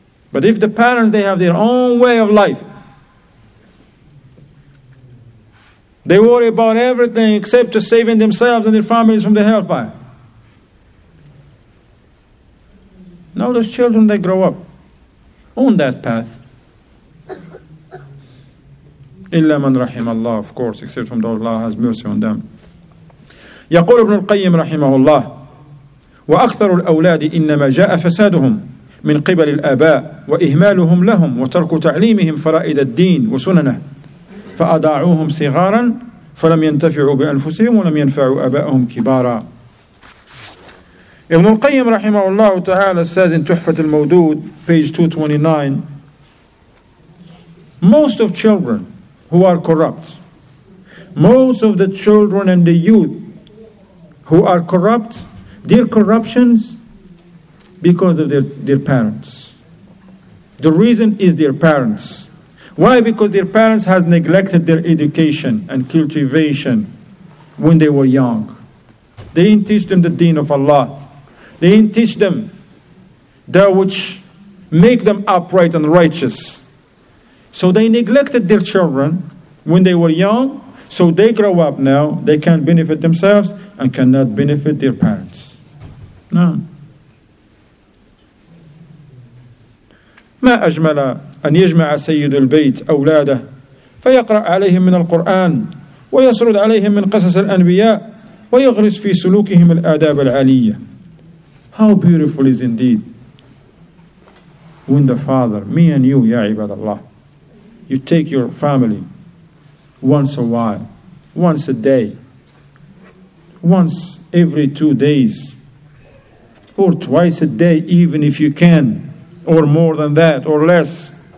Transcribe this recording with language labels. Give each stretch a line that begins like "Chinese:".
English: But if the parents, they have their own way of life, they worry about everything except to saving themselves and their families from the hellfire. Now those children, they grow up on that path.
Arabic: إِلَّا مَنْ رَحِمَ اللَّهُ.
English: Of course, except from those Allah has mercy on them.
Arabic: يَقُولُ ابْنُ الْقَيِّمْ رَحِمَهُ اللَّهُ وَأَكْثَرُ الْأَوْلَادِ إِنَّمَا جَاءَ فَسَادُهُمْ من قبل الآباء وإهمالهم لهم وترك تعليمهم فرائد الدين وسننه فأضاعوهم صغارا فلم ينتفعوا بأنفسهم ولم ينفعوا آباءهم كبارا. ابن القيم رحمه الله تعالى
English: says in
Arabic: تحفة المودود page 229,
English: most of children who are corrupt, most of the children and the youth who are corrupt, their corruptions because of their parents. The reason is their parents. Why? Because their parents has neglected their education and cultivation when they were young. They didn't teach them the deen of Allah. They didn't teach them that which make them upright and righteous. So they neglected their children when they were young. So they grow up now, they can't benefit themselves and cannot benefit their parents. No.
Arabic: ما أجمل أن يجمع سيد البيت أولاده فيقرأ عليهم من القرآن ويسرد عليهم من قصص الأنبياء ويغرس في سلوكهم الآداب العالية.
English: How beautiful is indeed when the father, me and you,
Arabic: يا عباد الله,
English: you take your family once a while, once a day, once every 2 days, or twice a day, even if you can, or more than that, or less.